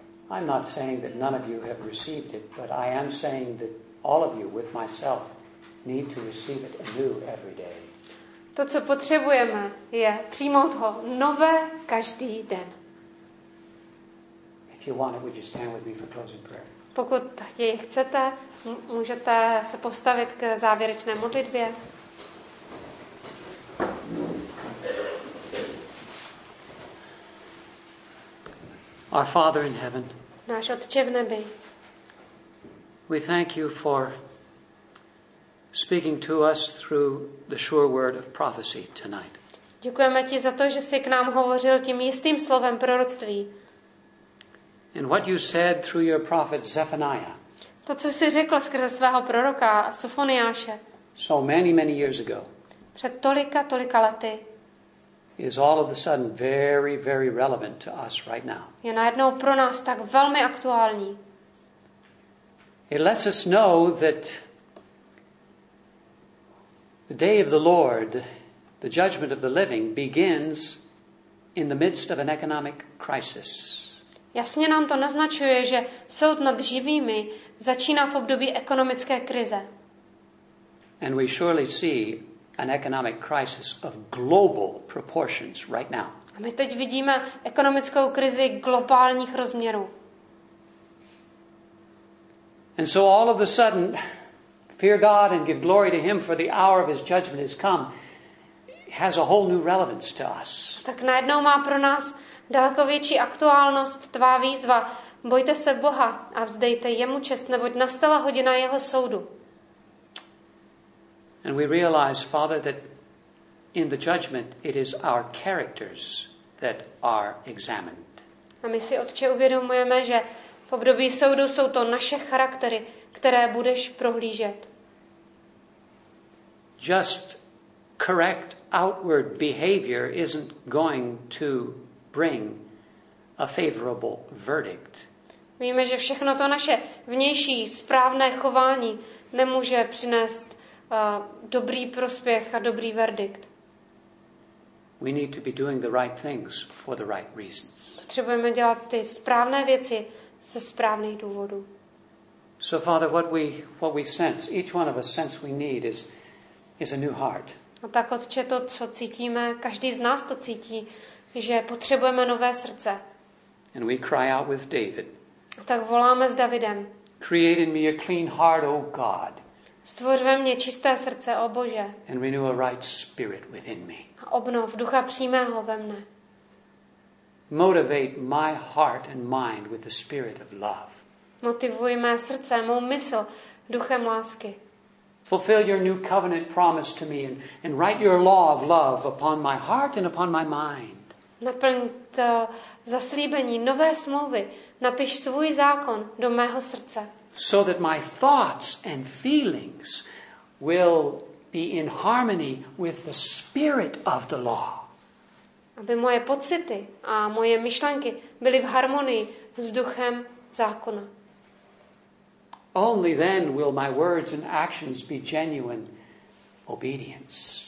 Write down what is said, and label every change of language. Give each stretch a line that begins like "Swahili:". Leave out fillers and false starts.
English: I'm not saying that none of you have received it, but I am saying that all of you, with myself, need to receive it anew every day.
Czech: To, co potřebujeme, je přijmout ho nové každý den.
English: If you want it, would you stand with me for closing prayer?
Czech: Pokud jej chcete, můžete se postavit k závěrečné modlitbě.
English: Our Father in heaven.
Czech: Náš Otče v nebi.
English: We thank you for speaking to us through the sure word of prophecy tonight.
Czech: Děkujeme ti za to, že jsi k nám hovořil tím jistým slovem proroctví.
English: And what you said through your prophet Zephaniah.
Czech: To, co jsi řekl skrze svého proroka Sofoniáše.
English: So many, many years ago.
Czech: Před tolika lety.
English: Is all of a sudden very, very relevant to us right now.
Czech: Je najednou pro nás tak velmi aktuální.
English: It lets us know that the day of the Lord, the judgment of the living, begins in the midst of an economic crisis.
Czech: Jasně nám to naznačuje, že soud nad živými začíná v období ekonomické krize.
English: And we surely see an economic crisis of global proportions right now.
Czech: A my teď vidíme ekonomickou krizi globálních rozměrů.
English: And so all of a sudden, fear God and give glory to him, for the hour of his judgment has come, has a whole new relevance to us.
Czech: Tak najednou má pro nás daleko větší aktuálnost tvá výzva. Bojte se Boha a vzdejte jemu čest, neboť nastala hodina jeho soudu.
English: And we realize, Father, that in the judgment, it is our characters that are examined.
Czech: A my si, Otče, uvědomujeme, že v období soudu jsou to naše charaktery, které budeš prohlížet.
English: Just correct outward behavior isn't going to bring a favorable verdict.
Czech: Víme, že všechno to naše vnější správné chování nemůže přinést dobrý prospěch a dobrý verdikt.
English: We need to be doing the right things for the right reasons.
Czech: Potřebujeme dělat ty správné věci ze správných důvodů.
English: So Father, what we sense, each one of us sense we need is a new heart.
Czech: A tak, Otče, to, co cítíme, každý z nás to cítí, že potřebujeme nové srdce.
English: And we cry out with David.
Czech: A tak voláme s Davidem.
English: Create in me a clean heart, O God.
Czech: Stvoř ve mně čisté srdce, O Bože.
English: And renew a right spirit within me.
Czech: A obnov ducha přímého ve mne.
English: Motivate my heart and mind with the spirit of love.
Czech: Motivuj mé srdce, mou mysl, duchem lásky.
English: Fulfill your new covenant promise to me and write your law of love upon my heart and upon my mind.
Czech: Naplň to zaslíbení nové smlouvy, napiš svůj zákon do mého srdce.
English: So that my thoughts and feelings will be in harmony with the spirit of the law.
Czech: Aby moje pocity a moje myšlenky byly v harmonii s duchem zákona.
English: Only then will my words and actions be genuine obedience.